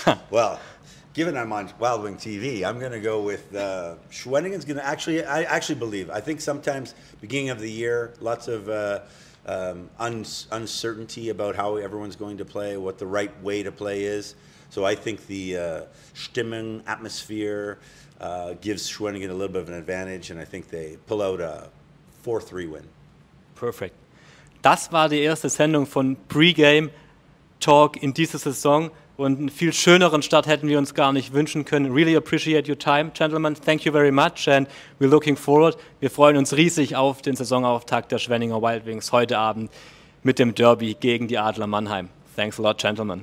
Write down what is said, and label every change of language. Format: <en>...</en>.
<en>Well, given I'm on WILDWINGS TV, I'm going to go with Schwenningen's going to actually, I actually believe, I think sometimes beginning of the year, lots of uncertainty about how everyone's going to play, what the right way to play is. So I think the Stimmung atmosphere gives Schwenningen a little bit of an advantage, and I think they pull out a 4-3 win. Perfect.</en> <de>Das war die erste Sendung von PreGame Talk in dieser Saison und einen viel schöneren Start hätten wir uns gar nicht wünschen können.</de> <en>Really appreciate your time, gentlemen. Thank you very much and we're looking forward.</en> <de>Wir freuen uns riesig auf den Saisonauftakt der Schwenninger WILDWINGS heute Abend mit dem Derby gegen die Adler Mannheim.</de> <en>Thanks a lot, gentlemen.</en>